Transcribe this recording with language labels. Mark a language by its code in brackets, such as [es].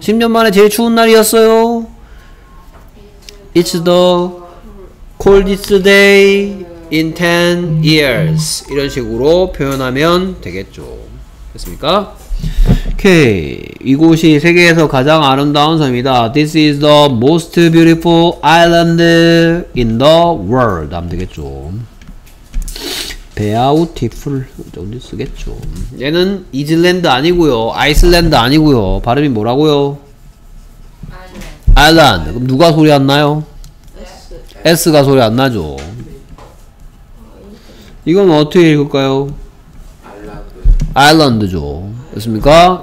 [ko] 10년 만에 제일 추운 날이었어요. [en] It's the coldest day in 10 years. [ko] 이런 식으로 표현하면 되겠죠. 됐습니까? Okay. 이곳이 세계에서 가장 아름다운 섬이다. [en] This is the most beautiful island in the world. [ko] 하면 되겠죠. Beautiful 어디 쓰겠죠. 얘는 이즐랜드 아니고요. 아이슬랜드 아니고요. 발음이 뭐라고요? 아일랜드. 아일랜드. 그럼 누가 소리 안 나요? S. S가 소리 안 나죠. 이건 어떻게 읽을까요? 아일랜드죠. 됐습니까?